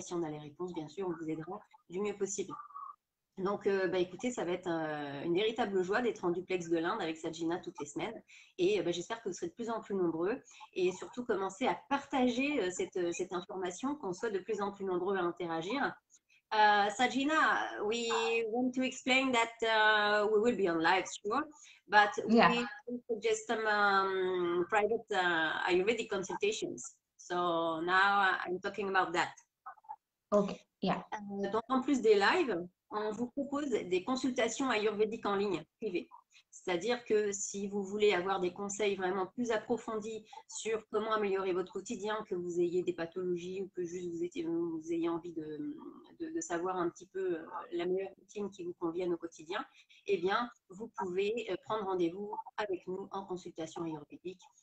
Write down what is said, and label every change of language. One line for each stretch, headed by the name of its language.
French: Et si on a les réponses, bien sûr, on vous aidera du mieux possible. Donc, écoutez, ça va être une véritable joie d'être en duplex de l'Inde avec Sajina toutes les semaines. Et j'espère que vous serez de plus en plus nombreux. Et surtout, commencez à partager cette information, qu'on soit de plus en plus nombreux à interagir.
English: Sajina, we want to explain that we will be on live, sure, but we suggest some private Ayurvedic consultations. So now I'm talking about that.
French: Donc, en plus des lives, on vous propose des consultations ayurvédiques en ligne privées. C'est-à-dire que si vous voulez avoir des conseils vraiment plus approfondis sur comment améliorer votre quotidien, que vous ayez des pathologies ou que juste vous ayez envie de savoir un petit peu la meilleure routine qui vous convienne au quotidien, eh bien, vous pouvez prendre rendez-vous avec nous en consultation ayurvédique.